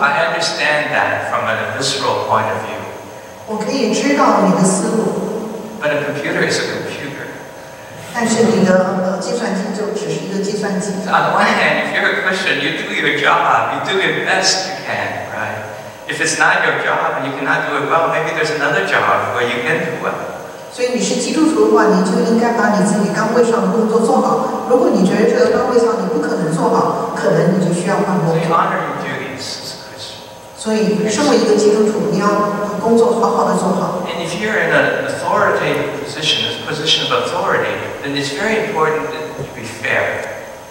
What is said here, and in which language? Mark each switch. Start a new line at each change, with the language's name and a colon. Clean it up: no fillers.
English: I understand that from a visceral point of view.
Chinese: 我可以知道你的思路。
English: But a computer is a computer.
Chinese: 但是你的计算机就只是一个计算机。
English: On the one hand, if you're a Christian, you do your job, you do your best you can, right? If it's not your job and you cannot do it well, maybe there's another job where you can do well.
Chinese: 所以你是基督徒的话，你就应该把你自己岗位上的工作做好。如果你觉得这个岗位上你不可能做好，可能你就需要换工作。
English: So you honor your duties as a Christian.
Chinese: 所以，身为一个基督徒，你要工作好好的做好。
English: And if you're in an authoritative position, a position of authority, then it's very important that you be fair.